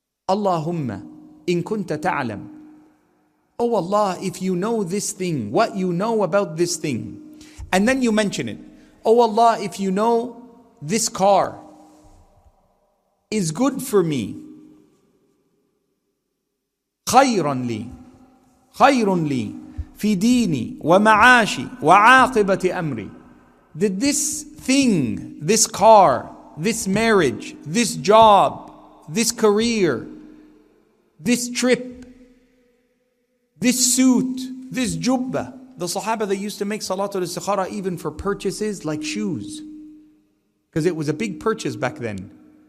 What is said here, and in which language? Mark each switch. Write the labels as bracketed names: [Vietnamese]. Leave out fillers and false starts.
[Arabic] اللهم إن كنت تعلم. [English] Oh Allah, if you know this thing, what you know about this thing. And then you mention it. Oh Allah, if you know this car is good for me. [Arabic] خيرًا لي. خيرٌ لي في ديني ومعاشي وعاقبة أمري. [English] Did this thing, this car, this marriage, this job, this career, this trip, this suit, this jubba, the Sahaba that used to make Salatul Istikhara even for purchases like shoes, because it was a big purchase back then.